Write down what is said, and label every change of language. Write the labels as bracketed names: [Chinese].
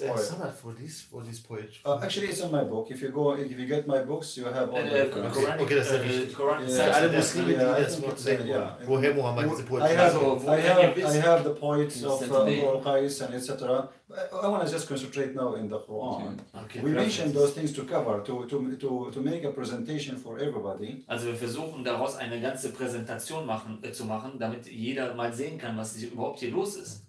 [English] Do you have this summer for this poetry? Actually, it's in my book. If you get my books, you have all the Quran. Okay, that's the Quran. [German] Alle Muslime, die das Wort sehen, woher Muhammad diese Poetry hat. [English] I have the poets of Imr al-Qais and etc. I want to just concentrate now in the Quran. Okay, we mentioned those things to cover, to make a presentation for everybody. [German] Also wir versuchen daraus eine ganze Präsentation zu machen, damit jeder mal sehen kann, was überhaupt hier los ist.